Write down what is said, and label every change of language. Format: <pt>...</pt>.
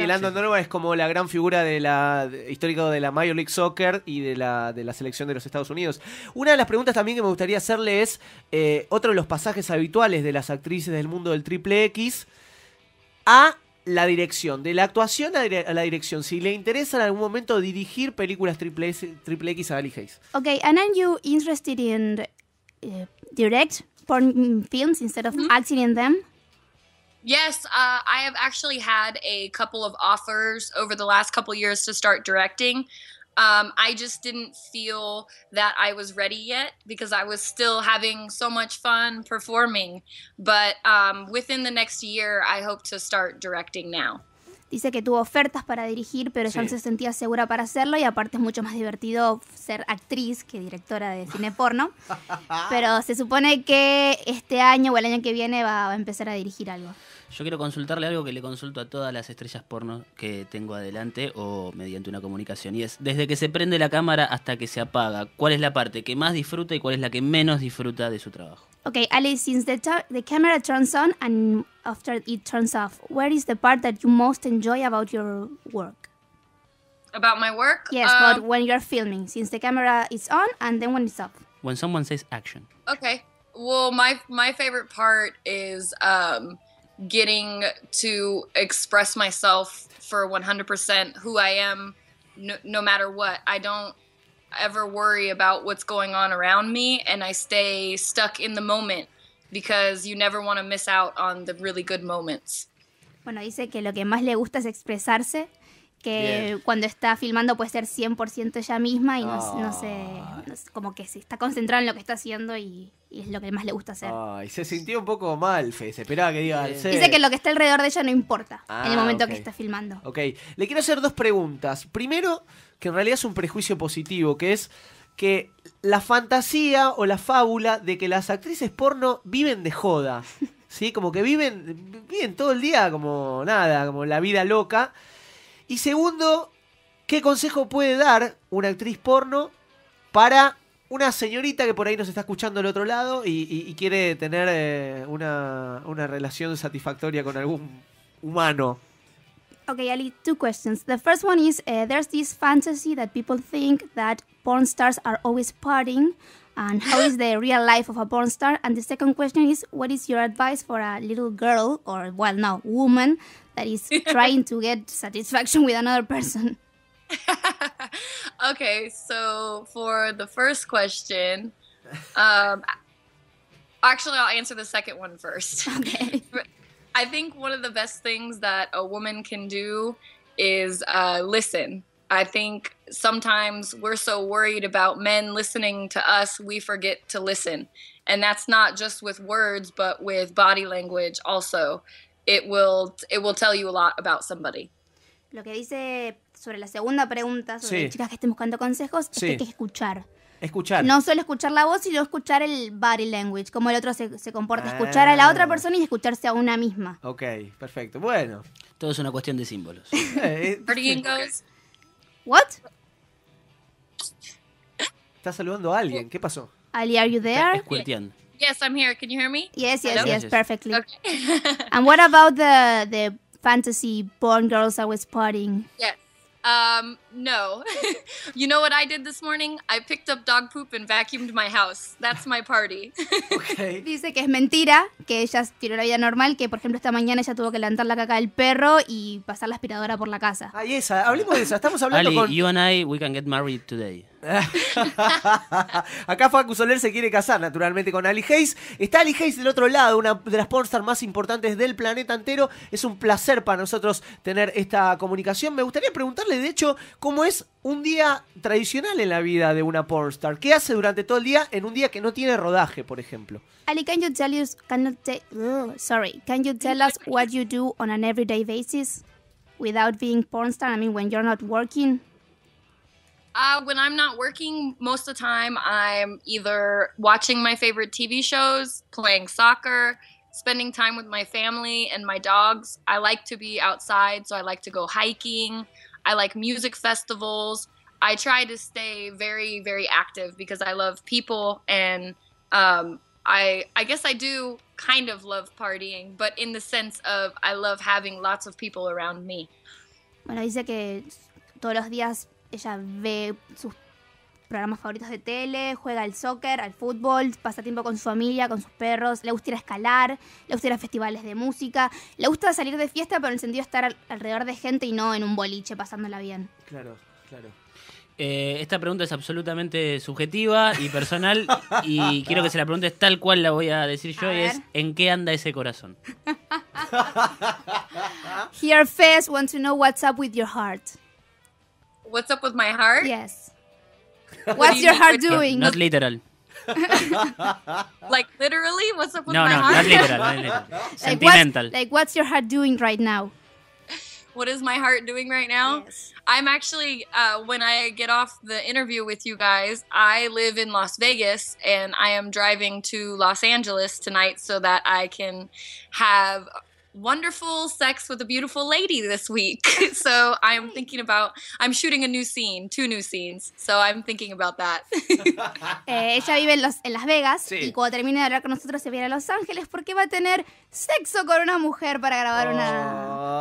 <es>sí, Landon Donovan es como la gran figura de la histórica de la Major League Soccer y de la selección de los Estados Unidos. Una de las preguntas también que me gustaría hacerle es otro de los pasajes habituales de las actrices del mundo del Triple X a la dirección, de la actuación a la dirección, si le interesa en algún momento dirigir películas triple X a Ali Hayes.</es> <en>Okay, and are you interested in direct porn films instead of acting in them? Yes, I have actually had a couple of offers over the last couple of years to start directing. I just didn't feel that I was ready yet because I was still having so much fun performing. But within the next year, I hope to start directing now.</en> <es>Dice que tuvo ofertas para dirigir, pero ya no se sentía segura para hacerlo. Y aparte es mucho más divertido ser actriz que directora de cine porno. Pero se supone que este año o el año que viene va a empezar a dirigir algo. Yo quiero consultarle algo que le consulto a todas las estrellas porno que tengo adelante o mediante una comunicación. Y es, desde que se prende la cámara hasta que se apaga, ¿cuál es la parte que más disfruta y cuál es la que menos disfruta de su trabajo?</es> <en>Okay, Ali, since the camera turns on and after it turns off, where is the part that you most enjoy about your work? About my work? Yes, but when you're filming, since the camera is on and then when it's off. When someone says action. Okay, well, my favorite part is getting to express myself for 100% who I am, no matter what. I don't ever worry about what's going on around me, and I stay stuck in the moment because you never want to miss out on the really good moments.</en> <es>Bueno, dice que lo que más le gusta es expresarse, que cuando está filmando puede ser 100% ella misma y como que se está concentrada en lo que está haciendo y es lo que más le gusta hacer. Ay, se sintió un poco mal, Fe. Se esperaba que diga. Dice que lo que está alrededor de ella no importa en el momento que está filmando. Ok, le quiero hacer dos preguntas. Primero, que en realidad es un prejuicio positivo, que es que la fantasía o la fábula de que las actrices porno viven de joda, ¿sí? Como que viven todo el día como nada, como la vida loca. Y segundo, ¿qué consejo puede dar una actriz porno para una señorita que por ahí nos está escuchando al otro lado y quiere tener una relación satisfactoria con algún humano?</es> <en>Okay, Ali, two questions. The first one is, there's this fantasy that people think that porn stars are always partying And how is the real life of a porn star? And the second question is, what is your advice for a little girl, or, well, no, woman, that is trying to get satisfaction with another person? Okay, so for the first question, actually, I'll answer the second one first. Okay. I think one of the best things that a woman can do is listen. I think sometimes we're so worried about men listening to us, we forget to listen. And that's not just with words, but with body language also. It will tell you a lot about somebody.</en> <es>Lo que dice sobre la segunda pregunta, sobre sí. chicas que estén buscando consejos, sí. es que hay que escuchar. Escuchar. No solo escuchar la voz, sino escuchar el body language, cómo el otro se comporta. Ah. Escuchar a la otra persona y escucharse a una misma. Ok, perfecto. Bueno. Todo es una cuestión de símbolos.</es> <en>Partying goes... What?</en> <es>¿Estás saludando a alguien? ¿Qué pasó?</es> <en>Ali, are you there? Escuerteando. Yes, I'm here. Can you hear me? Yes, perfectly. Okay. And what about the fantasy porn girls I was partying? Yes. No. You know what I did this morning? I picked up dog poop and vacuumed my house. That's my party. Okay.</en> <es>Dice que es mentira, que ella tiene una vida normal, que por ejemplo esta mañana ella tuvo que levantar la caca del perro y pasar la aspiradora por la casa. Ay, esa, hablemos de esa, estamos hablando Ali, con...</es> <en>Ali, you and I, we can get married today.</en> <es>Acá Facu Soler se quiere casar naturalmente con Ali Hayes. Está Ali Hayes del otro lado, una de las pornstars más importantes del planeta entero. Es un placer para nosotros tener esta comunicación. Me gustaría preguntarle, de hecho, ¿cómo es un día tradicional en la vida de una pornstar? ¿Qué hace durante todo el día en un día que no tiene rodaje, por ejemplo?</es> <en>Ali, can you tell us what you do on an everyday basis without being pornstar? I mean, when you're not working. When I'm not working, most of the time I'm either watching my favorite TV shows, playing soccer, spending time with my family and my dogs. I like to be outside, so I like to go hiking. I like music festivals. I try to stay very, very active because I love people. And I guess I do kind of love partying, but in the sense of I love having lots of people around me.</en> <es>Bueno, dice que todos los días... Ella ve sus programas favoritos de tele, juega al soccer, al fútbol, pasa tiempo con su familia, con sus perros, le gusta ir a escalar, le gusta ir a festivales de música, le gusta salir de fiesta, pero en el sentido de estar alrededor de gente y no en un boliche pasándola bien. Claro, claro. Esta pregunta es absolutamente subjetiva y personal y quiero que se la preguntes tal cual la voy a decir yo, y es, ¿en qué anda ese corazón?</es> <en>Here, Fez, want to know what's up with your heart. What's up with my heart? Yes. What's your heart doing? Not literal. Like literally? What's up with my heart? No, not literal. Sentimental. Like what's your heart doing right now? What is my heart doing right now? Yes. I'm actually, when I get off the interview with you guys, I live in Las Vegas and I am driving to Los Angeles tonight so that I can have... wonderful sex with a beautiful lady this week. So I'm thinking about, I'm shooting a new scene, two new scenes. So I'm thinking about that.</en> <es>Ella vive en Las Vegas, sí. Y cuando termine de hablar con nosotros se viene a Los Ángeles porque va a tener sexo con una mujer para grabar una...</es>